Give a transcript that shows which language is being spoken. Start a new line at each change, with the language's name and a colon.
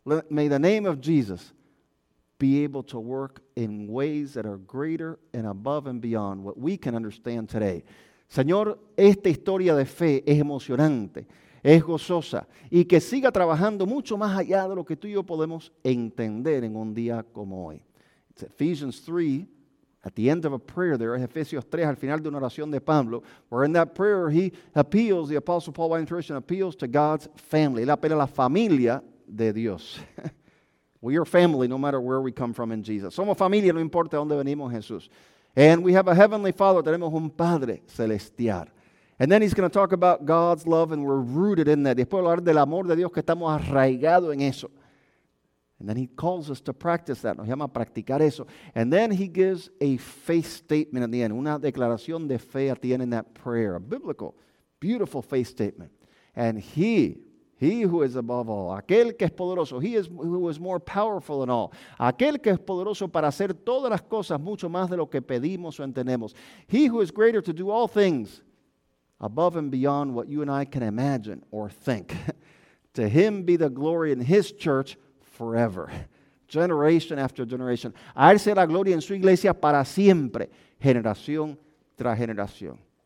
English: May the name of Jesus be able to work in ways that are greater and above and beyond what we can understand today.
Spanish: Señor, esta historia de fe es emocionante, es gozosa, y que siga trabajando mucho más allá de lo que tú y yo podemos entender en un día como hoy.
English: It's Ephesians 3, at the end of a prayer there, Ephesians 3,
Spanish: al final de una oración de Pablo,
English: where in that prayer he appeals, the Apostle Paul by intuition appeals to God's family.
Spanish: Él apela a la familia de Dios.
English: We are family no matter where we come from in Jesus.
Spanish: Somos familia, no importa dónde venimos en Jesús.
English: And we have a heavenly Father.
Spanish: Tenemos un Padre celestial.
English: And then he's going to talk about God's love and we're rooted in that.
Spanish: Después hablar del amor de Dios, que estamos arraigados en eso.
English: And then he calls us to practice that.
Spanish: Nos llama a practicar eso.
English: And then he gives a faith statement at the end.
Spanish: Una declaración de fe
English: at the end in that prayer. A biblical, beautiful faith statement. And He who is above all,
Spanish: aquel que es poderoso,
English: who is more powerful than all,
Spanish: aquel que es poderoso para hacer todas las cosas mucho más de lo que pedimos o entendemos,
English: he who is greater to do all things above and beyond what you and I can imagine or think, to him be the glory in his church forever, generation after generation,
Spanish: a él sea la gloria en su iglesia para siempre, generación tras generación.